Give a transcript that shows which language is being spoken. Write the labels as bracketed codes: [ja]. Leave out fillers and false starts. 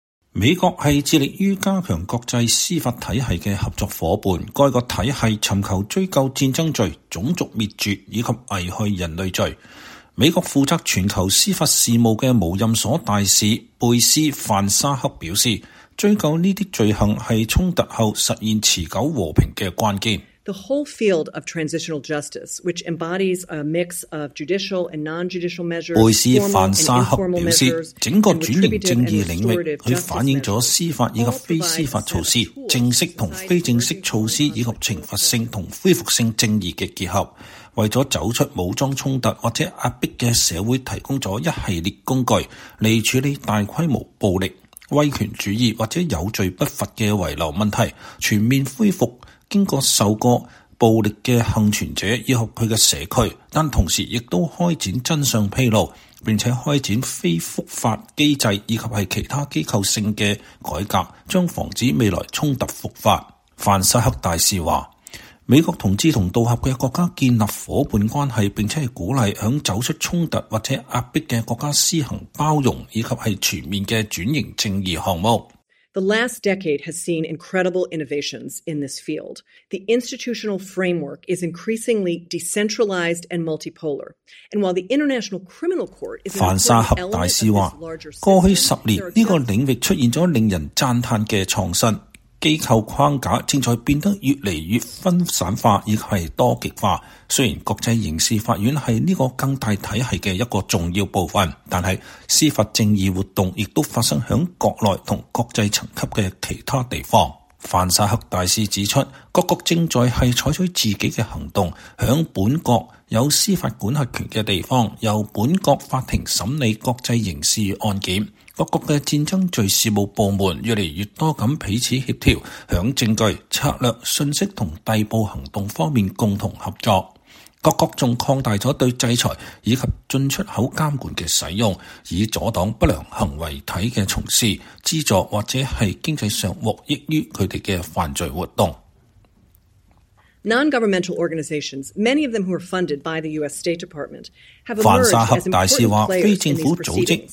[zh] 美国是致力于加强国际司法体系的合作伙伴，该个体系寻求追究战争罪、种族灭绝以及危害人类罪。美国负责全球司法事务的无任所大使贝斯·范沙克表示，追究这些罪行是冲突后实现持久和平的关键。 [en] The whole field of transitional justice, which embodies a mix of judicial and non-judicial measures, [zh] 贝斯·范沙克表示，整个转型正义领域，它反映了司法以及非司法措施、正式和非正式措施以及惩罚性和恢复性正义的结合，为了走出武装冲突或者压迫的社会提供了一系列工具，来处理大规模暴力、威权主义或者有罪不罚的遗留问题，全面恢复经过受过暴力的幸存者以及他的社区，但同时亦都开展真相披露，并且开展非复发机制以及是其他机构性的改革，将防止未来冲突复发。范沙克大使说，美国同志同道合的国家建立伙伴关系，并且鼓励在走出冲突或者压迫的国家施行包容以及是全面的转型正义项目。 [en] The last decade has seen incredible innovations in this field. The institutional framework is increasingly decentralized and multipolar. And while the International Criminal Court is an important element of this larger system, [zh] 过去十年，这个领域出现了令人赞叹的创新。机构框架正在变得越来越分散化以及是多极化，虽然国际刑事法院是这个更大体系的一个重要部分，但是司法正义活动亦都发生在国内和国际层级的其他地方。范沙克大使指出，各国正在是采取自己的行动，在本国有司法管辖权的地方由本国法庭审理国际刑事案件，各国的战争罪事务部门越来越多地彼此协调，在证据、策略、信息和逮捕行动方面共同合作。各国还扩大了对制裁以及进出口监管的使用，以阻挡不良行为体的从事、资助或者是经济上获益于他们的犯罪活动。 [en] Non-governmental organizations, many of them who are funded by the U.S. State Department, have emerged as important players in these proceedings.